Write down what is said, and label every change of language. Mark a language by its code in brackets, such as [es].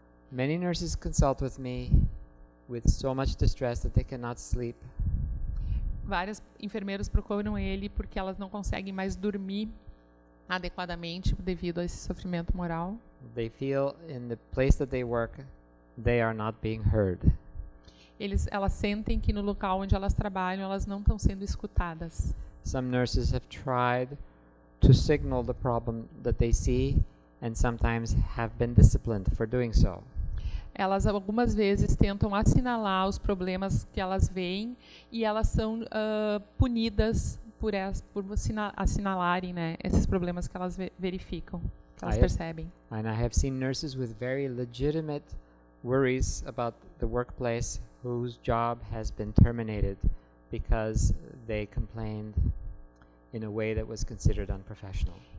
[en] Many nurses consult with me with so much distress that they cannot sleep. [pt] Várias enfermeiras procuram ele porque elas não conseguem mais dormir adequadamente devido a esse sofrimento moral. [en] They feel in the place that they work, they are not being heard. [pt] Elas sentem que no local onde elas trabalham, elas não estão sendo escutadas. [en] Some nurses have tried to signal the problem that they see and sometimes have been disciplined for doing so. [pt] Elas algumas vezes tentam assinalar os problemas que elas veem e elas são punidas por assinalarem, né, esses problemas que elas verificam, que elas percebem. [en] And I have seen nurses with very legitimate worries about the workplace whose job has been terminated because they complained in a way that was considered unprofessional.